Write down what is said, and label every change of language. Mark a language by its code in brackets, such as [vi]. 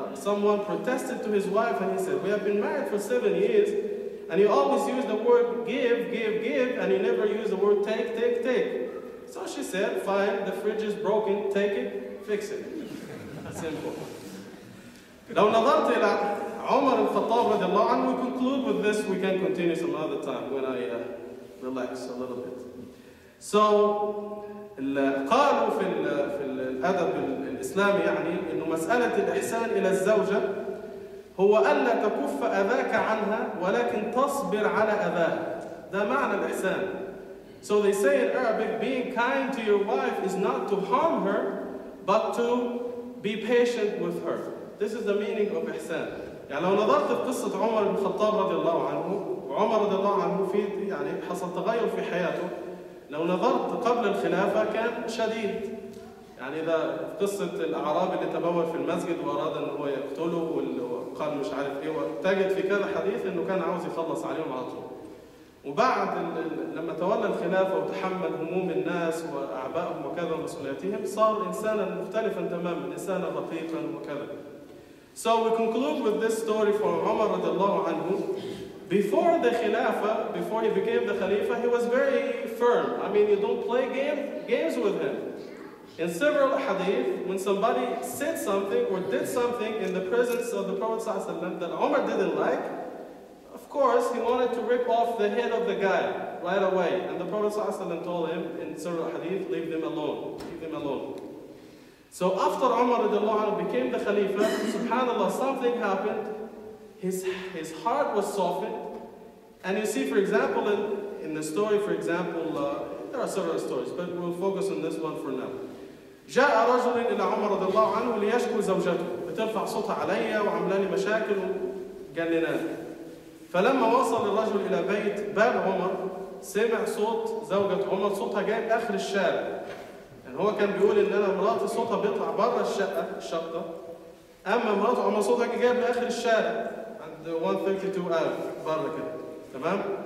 [en] Someone protested to his wife and he said, we have been married for 7 years and you always use the word give and you never use the word take. So she said, fine, the fridge is broken, take it, fix it. Simple. [ar] لو نظرت إلى عمر الخطاب رضي الله عنه, [en] we conclude with this, we can continue some other time when I relax a little bit. So, [ar] قالوا في الأدب الإسلامي يعني إنه مسألة الإحسان إلى الزوجة هو ألا تكف أذاك عنها ولكن تصبر على أذاه. ده معنى الإحسان. [en] So they say in Arabic, being kind to your wife is not to harm her, but to be patient with her. This is the meaning of إحسان. [ar] يعني لو نظرت في قصة عمر بن الخطاب رضي الله عنه, وعمر رضي الله عنه في يعني حصل تغير في حياته. لو نظرت قبل الخلافة كان شديد. يعني إذا في قصة الأعرابي اللي تبول في المسجد وأراد أن هو يقتله وقال مش عارف إيه, وتجد في كذا حديث إنه كان عاوز يخلص عليهم على طول. وبعد لما تولى الخلافة وتحمل هموم الناس وأعبائهم وكذا ومسؤولياتهم, صار إنسانا مختلفا تماما, إنسانا رقيقا وكذا. [en] So we conclude with this story from Umar [ar] رضي الله عنه. [en] Before the Khilafah, before he became the Khalifa, he was very firm. I mean, you don't play games with him. In several hadith, when somebody said something or did something in the presence of the Prophet ﷺ that Umar didn't like, of course, he wanted to rip off the head of the guy right away. And the Prophet ﷺ told him in several hadith, leave them alone, leave them alone. So after Umar became the Khalifa, subhanAllah, something happened. His heart was softened. And you see, for example, in the story, for example, there are several stories, but we'll focus on this one for now. [ar] جاء رجل إلى عمر رضي الله عنه ليشكو زوجته بترفع صوتها علي وعملاني مشاكل وجننان. فلما وصل الرجل إلى بيت باب عمر سمع صوت زوجة عمر, صوتها جاي آخر الشارع. يعني هو كان بيقول إن أنا مراتي صوتها بيطلع بره الشقة الشقة, أما مراته عمر صوتها جاي آخر الشارع عند 132 بره كده, تمام.